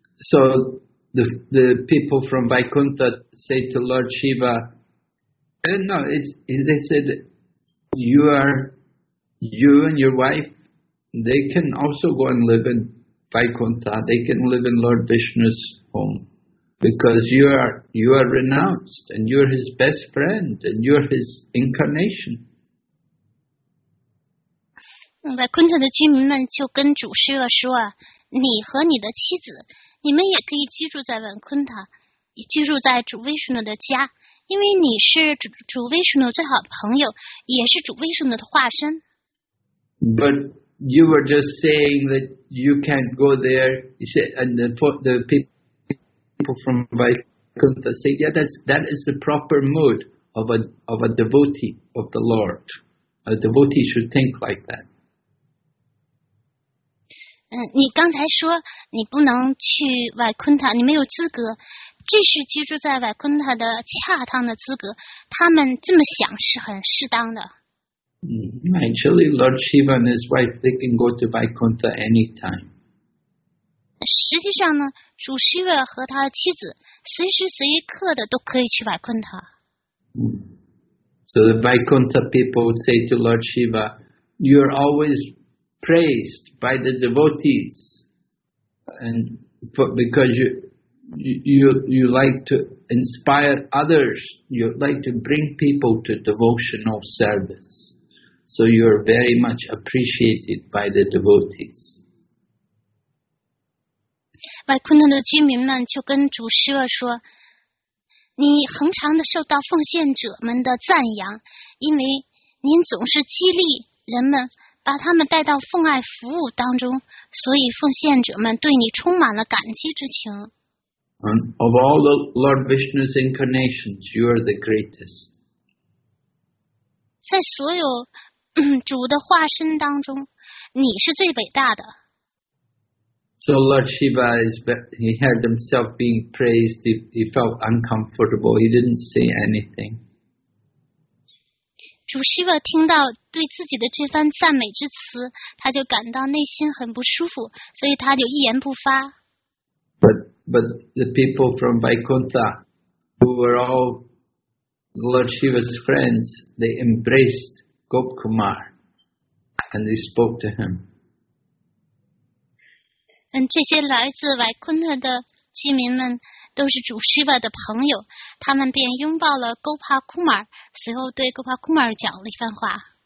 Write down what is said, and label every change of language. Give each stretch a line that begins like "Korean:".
English: So the people from Vaikuntha say to Lord Shiva, they said, you and your wife, they can also go and live in Vaikuntha. They can live in Lord Vishnu's home because you are renounced and you're his best friend and you're his incarnation.
Chinese: Vaikuntha 的居民们就跟主师傅说，你和你的妻子你们也可以居住在文昆塔，居住在主威士努的家，因为你是主威士努最好的朋友，也是主威士努的化身。
English: But you were just saying that you can't go there. You said, and the people from Vaikuntha say, yeah, that is the proper mood of a devotee of the Lord. A devotee should think like that.
Chinese: 你刚才说你不能去百昆特，你没有资格，这是居住在百昆特的恰当的资格，他们这么想是很适当的。
English: Actually, Lord Shiva and his wife, they can go to Vaikuntha anytime.
Chinese: 实际上呢，主希月和他的妻子随时随刻的都可以去外困他。
English: So the Vaikuntha people say to Lord Shiva, "You are always praised by the devotees, and because you like to inspire others, you like to bring people to devotional service. So you are very much appreciated by the devotees."
Chinese: Vaikuntha 的居民们就跟主希瓦说。你恒常的受到奉献者们的赞扬，因为您总是激励人们，把他们带到奉爱服务当中，所以奉献者们对你充满了感激之情。
English: Of all the Lord Vishnu's incarnations, you are the greatest.
Chinese: 在所有主的化身当中，你是最伟大的。
English: So Lord Shiva, he heard himself being praised. He felt uncomfortable. He didn't say anything.
Chinese: 主希瓦听到对自己的这番赞美之词，他就感到内心很不舒服，所以他就一言不发。
English: But the people from Vaikuntha, who were all Lord Shiva's friends, they embraced Gop Kumar, and they spoke to him.
Chinese: 这些来自维昆特的居民们都是主希瓦的朋友，他们便拥抱了高帕库马尔，随后对高帕库马尔讲了一番话。